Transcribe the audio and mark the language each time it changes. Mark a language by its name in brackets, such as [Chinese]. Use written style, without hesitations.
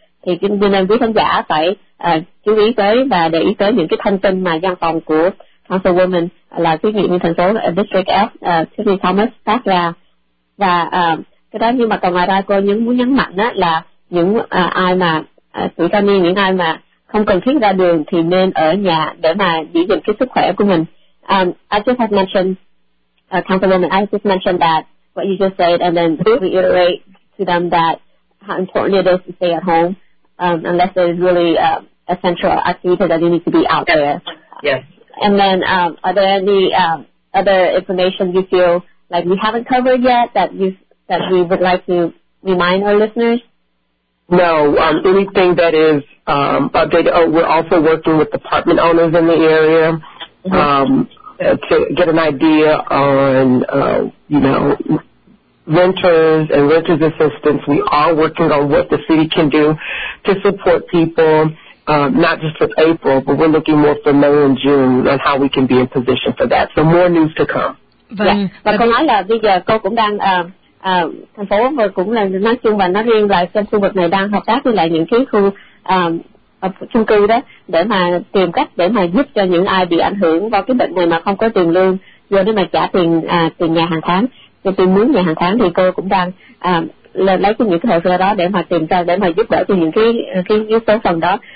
[Vietnamese] Thì nên quý khán giả phải chú ý tới và để ý tới những cái thông tin mà văn phòng của Councilwoman là quý vị như thành phố District F, Sydney Thomas phát ra. Và cái đó, nhưng mà còn ngoài ra cô muốn nhấn mạnh đó là những ai mà tuổi cao niên, những ai mà không cần thiết ra đường thì nên ở nhà để mà giữ gìn cái sức khỏe của mình. [English] I just have mentioned, Councilwoman, I just mentioned that what you just said, and then reiterate to them that how important it is to stay at home, unless there is really essential activity that you need to be out there. Yes. And then are there any other information you feel like we haven't covered yet that we would like to remind our listeners? No, anything that is updated. Oh, we're also working with apartment owners in the area. To get an idea on, you know, renters and renters assistance. We are working on what the city can do to support people, not just for April, but we're looking more for May and June and how we can be in position for that. So more news to come. [Vietnamese] Và cô nói là bây giờ cô cũng đang, thành phố và cũng là nói chung và nói riêng là trong khu vực này đang hợp tác với lại những cái khu chung cư đó để mà tìm cách để mà giúp cho những ai bị ảnh hưởng vào cái bệnh này mà không có tiền lương do để mà trả tiền tiền nhà hàng tháng, cho tiền mướn nhà hàng tháng, thì cô cũng đang lấy những cái hồ sơ đó để mà tìm ra để mà giúp đỡ cho những cái số phần đó.